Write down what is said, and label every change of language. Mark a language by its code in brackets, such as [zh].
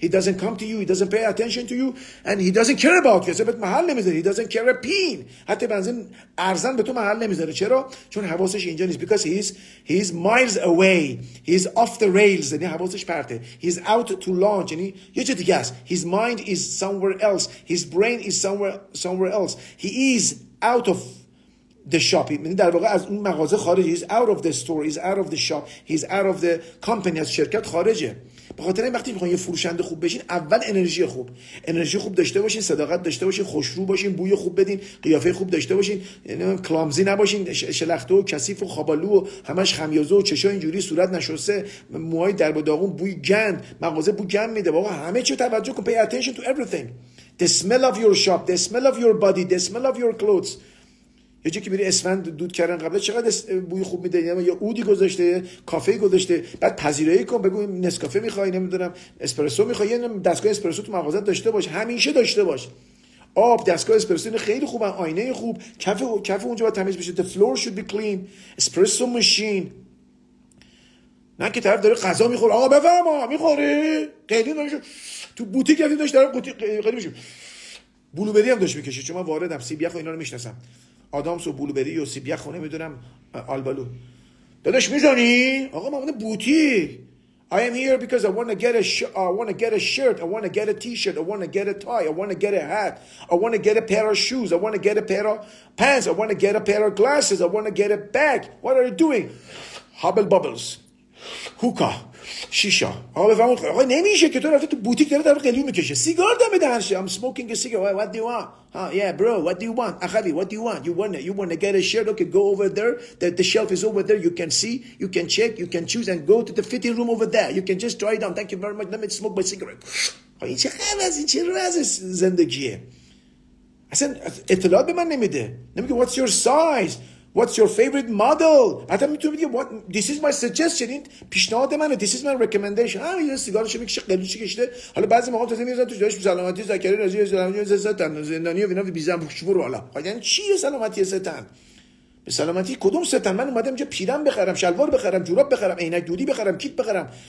[en] He doesn't come to you. He doesn't pay attention to you. And he doesn't care about you. [fa] اصلا به محل نمیذاره. [en] He doesn't care a pin. [fa] حتی بنزین ارزان به تو محل نمیذاره. چرا؟ چون حواسش اینجا نیست. [en] Because he's miles away. He's off the rails. [fa] یعنی حواسش پرته. [en] He's out to lunch. [fa] یعنی یه چه دیگه است. [en] His mind is somewhere else. His brain is somewhere else. He is out of the shop. [fa] یعنی در واقع از اون مغازه خارجه. [en] He's out of the store. He's out of the shop. He's out of the company. [fa] از شرکت خارجه. بخاطر این وقتی میخواین یه فروشنده خوب بشین، اول انرژی خوب، انرژی خوب داشته باشین، صداقت داشته باشین، خوشرو باشین، بوی خوب بدین، قیافه خوب داشته باشین، یعنی کلامزی نباشین، شلخته و کثیف و خابالو و همش خمیازه و چشا اینجوری، صورت نشسته، موهای درب و داغون، بوی گند، مغازه بو گند میده. بابا همه چی توجه کن. [en] Pay attention to everything. The smell of your shop, the smell of your body, the smell of your clothes. [fa] یه جایی که میری اسفند دود کردن قبل چقدر بوی خوب میده، یا عودی گذاشته، کافه گذاشته. بعد پذیرایی کن، بگو نسکافه میخوای، نمیدونم اسپرسو میخوای، دستگاه اسپرسو تو مغازه داشته باش، همیشه داشته باش. آب، دستگاه اسپرسو خیلی خوبه، آینه خوب، کف اونجا باید تمیز بشه. [en] The floor should be clean. Espresso machine. [fa] نه که طرف داره غذا میخوره، آقا بفرما میخوره، قلی نمیشه تو بوتیک رفتی داشت داره قلی میشه، بلوبری هم داشت میکشه، چون من واردم سیبیخ و اینا رو میشناسم، آدامس و بلوبری و سیبیخ و نمیدونم آلبالو. داداش میدونی؟ آقا من اومدم بوتیک. [en] I am here because I want to get a I want to get a shirt, I want to get a t-shirt, I want to get a tie, I want to get a hat, I want to get a pair of shoes, I want to get a pair of pants, I want to get a pair of glasses, I want to get a bag. What are you doing? Hubble bubbles. Hookah. شیشه. [fa] آقا بفهمون آقا نمیشه که تو رفته تو بوتیک داره طرف قلیون میکشه. سیگار دمه دهنش. [en] I'm smoking a cigarette. What do you want? Huh? Yeah, bro. What do you want? اخوی, what do you want? You want it? You want to get a shirt? Okay, go over there. The shelf is over there. You can see. You can check. You can choose and go to the fitting room over there. You can just try it on. Thank you very much. Let me smoke my cigarette. [fa] آقا این چه خبز این چه رز زندگیه. اصلا اطلاعات به من نمیده. نمیگه [en] what's your size? What's your favorite model? Adam to me what this is my suggestion. [fa] پیشنهاد منه. [en] This is my recommendation. [fa] آ یه سیگارش میکشه قلوچ کشیده. حالا بعضی موقع تازه میرزن تو جایش سلامتی زکریا رضی الله عنه زستان زندانی و اینا بی زن شور والا. یعنی چی سلامتی ستان؟ به سلامتی کدوم ستان؟ من اومدم اینجا پیرم بخرم، شلوار بخرم، جوراب بخرم، عینک دودی بخرم، کیت بخرم.